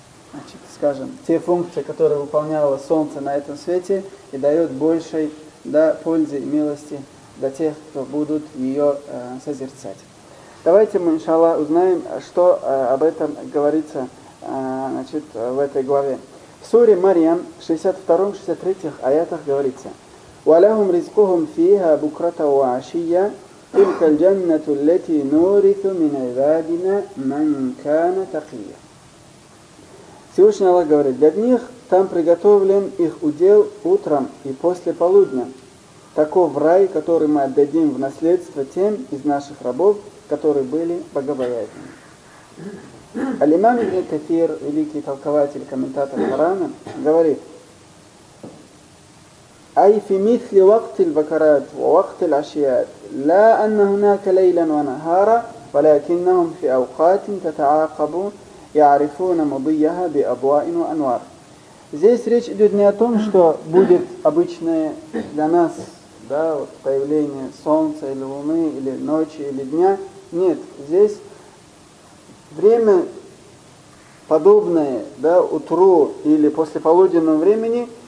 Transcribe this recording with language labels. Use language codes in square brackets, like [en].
[ru] значит, скажем, те функции, которые выполняло солнце на этом свете, и дает большей, да, пользы и милости для тех, кто будут ее созерцать. Давайте мы, иншалла, узнаем, что об этом говорится, значит, в этой главе. В суре Марьям, 62-63 аятах говорится: [ar] وَلَهُمْ رِزْقُهُمْ فِيهَا بُكْرَةً وَعَشِيًّا تِلْكَ الْجَنَّةُ الَّتِي نُورِثُ مِنْ عِبَادِنَا مَنْ كَانَ تَقِيًّا. [ru] Всевышний Аллах говорит: для них там приготовлен их удел утром и после полудня. Таков рай, который мы отдадим в наследство тем из наших рабов, которые были богобоязными. Алимам ибн Катир, великий толкователь, комментатор Корана, говорит: [ar] أي في مثل وقت البكرات ووقت العشيات لا أن هناك ليلا ونهارا ولكنهم في أوقات تتعاقب يعرفون مضيها بأضواء وأنوار. [ru] Здесь речь идет не о том, что будет обычное для нас, да, вот появление солнца или луны, или ночи, или дня. Нет, здесь время подобное, да, утру или послеполуденному времени.